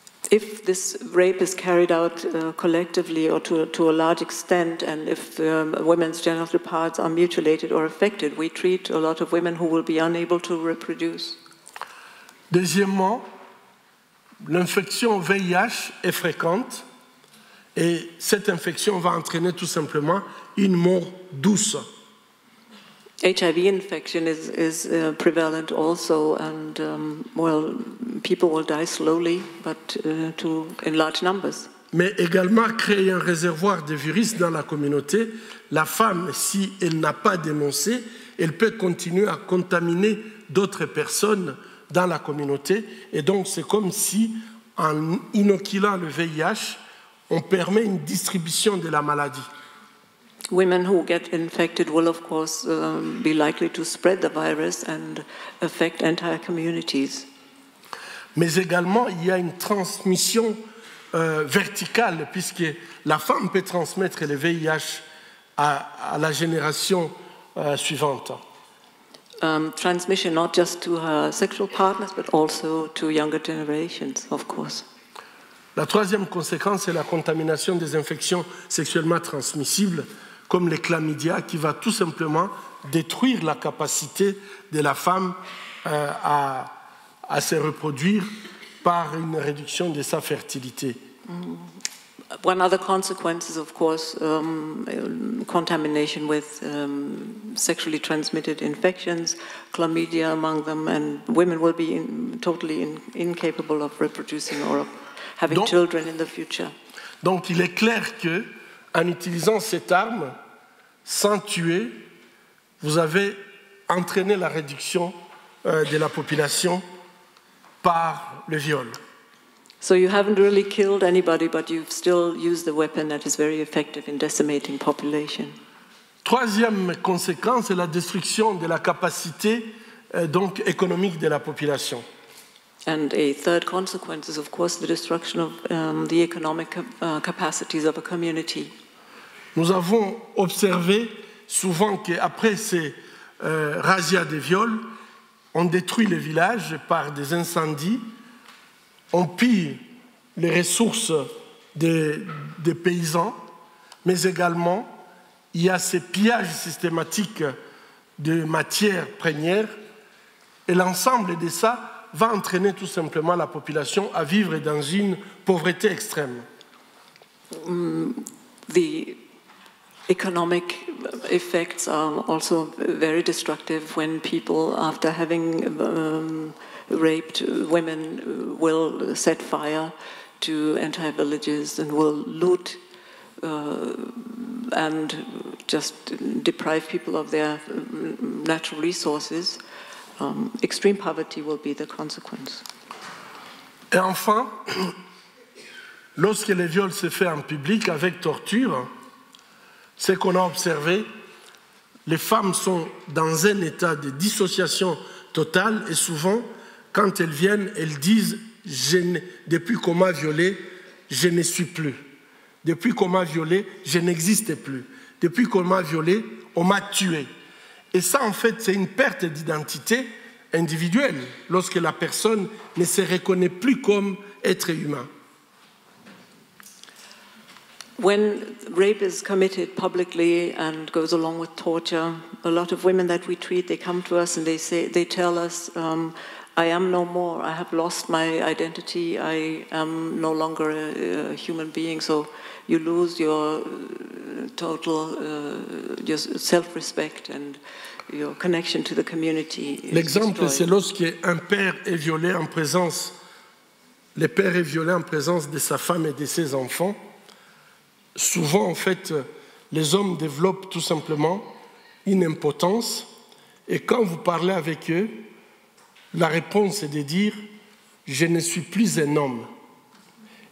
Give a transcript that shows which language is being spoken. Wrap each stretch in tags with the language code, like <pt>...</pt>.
<en>If this rape is carried out collectively or to a large extent, and if women's genital parts are mutilated or affected, we treat a lot of women who will be unable to reproduce.</en> <fr>Deuxièmement, l'infection VIH est fréquente et cette infection va entraîner tout simplement une mort douce.</fr> <en>HIV infection is prevalent also, and well, people will die slowly, but to in large numbers.</en> <fr>Mais également créer un réservoir de virus dans la communauté. La femme, si elle n'a pas dénoncé, elle peut continuer à contaminer d'autres personnes dans la communauté. Et donc, c'est comme si, en inoculant le VIH, on permet une distribution de la maladie.</fr> <en>Women who get infected will, of course, be likely to spread the virus and affect entire communities.</en> <fr>Mais également, il y a une transmission verticale, puisque la femme peut transmettre le VIH à la génération suivante.</fr> <en>Transmission not just to her sexual partners, but also to younger generations, of course.</en> <fr>La troisième conséquence, c'est la contamination des infections sexuellement transmissibles, comme les chlamydia, qui va tout simplement détruire la capacité de la femme à se reproduire par une réduction de sa fertilité.</fr> <en>One other consequence is, of course, contamination with sexually transmitted infections, chlamydia among them, and women will be incapable of reproducing or of having children in the future.</en> <fr>Donc, il est clair que, en utilisant cette arme, sans tuer, vous avez entraîné la réduction de la population par le viol.</fr> <en>So you haven't really killed anybody, but you've still used the weapon that is very effective in decimating population.</en> <fr>Troisième conséquence, c'est la destruction de la capacité donc économique de la population.</fr> <en>And a third consequence is, of course, the destruction of the economic capacities of a community.</en> <fr>Nous avons observé souvent qu'après ces razzias de viol, on détruit les villages par des incendies, on pille les ressources des paysans, mais également il y a ces pillages systématiques de matières premières, et l'ensemble de ça va entraîner tout simplement la population à vivre dans une pauvreté extrême.</fr> <en>The economic effects are also very destructive when people, after having raped women, will set fire to entire villages and will loot and just deprive people of their natural resources. Extreme poverty will be the consequence.</en> <fr>Et enfin, lorsque les viols se font en public avec torture, ce qu'on a observé, les femmes sont dans un état de dissociation totale et souvent, quand elles viennent, elles disent « Depuis qu'on m'a violée, je ne suis plus. Depuis qu'on m'a violée, je n'existe plus. Depuis qu'on m'a violée, on m'a tuée. » Et ça, en fait, c'est une perte d'identité individuelle lorsque la personne ne se reconnaît plus comme être humain.</fr> <en>When rape is committed publicly and goes along with torture, a lot of women that we treat, they come to us and they tell us, I am no more, I have lost my identity, I am no longer a human being, so you lose your total your self-respect and your connection to the community.</en> <fr>L'exemple, c'est lorsque un père est violé en présence, le père est violé en présence de sa femme et de ses enfants. Souvent, en fait, les hommes développent tout simplement une impotence, et quand vous parlez avec eux, la réponse est de dire « Je ne suis plus un homme ».</fr>